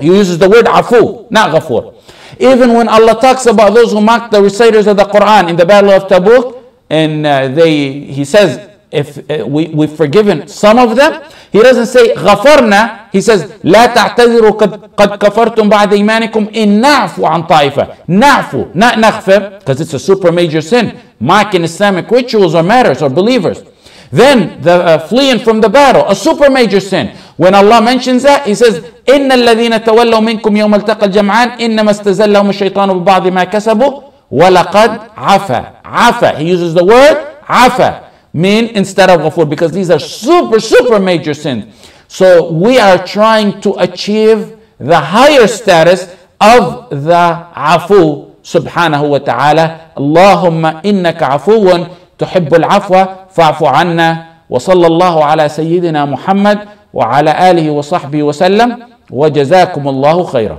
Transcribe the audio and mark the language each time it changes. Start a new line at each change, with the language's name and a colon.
English: He uses the word afu, not ghafur. Even when Allah talks about those who mocked the reciters of the Quran in the Battle of Tabuk, and he says, if we've forgiven some of them, he doesn't say ghafarna, he says,
Arabic: لَا تَعْتَذِرُوا قَدْ كَفَرْتُمْ بَعْدَ إِيمَانِكُمْ إِنْ نَعْفُ عَنْ طَائِفَةً.
English: نَعْفُ, not نَخْفِرْ, because it's a super major sin, mocking Islamic rituals or matters or believers. Then the fleeing from the battle, a super major sin. When Allah mentions that, he says,
Arabic: إِنَّ الَّذِينَ تَوَلَّوا مِنْكُمْ يَوْمَ الْتَقَى الْجَمْعَانِ إِنَّمَا اسْتَزَلَّهُمُ الشَّيْطَانُ بِبَعْضِ مَا كَسَبُوا وَلَقَدْ عَفَى.
English: عَفَى, he uses the word عَفَى, mean instead of ghafur, because these are super, super major sins. So we are trying to achieve the higher status of the afu, subhanahu wa ta'ala.
Arabic: Allahumma innaka afuun تحب العفو فاعف عنا. وصلى الله على سيدنا محمد وعلى آله وصحبه وسلم, وجزاكم الله خيرا.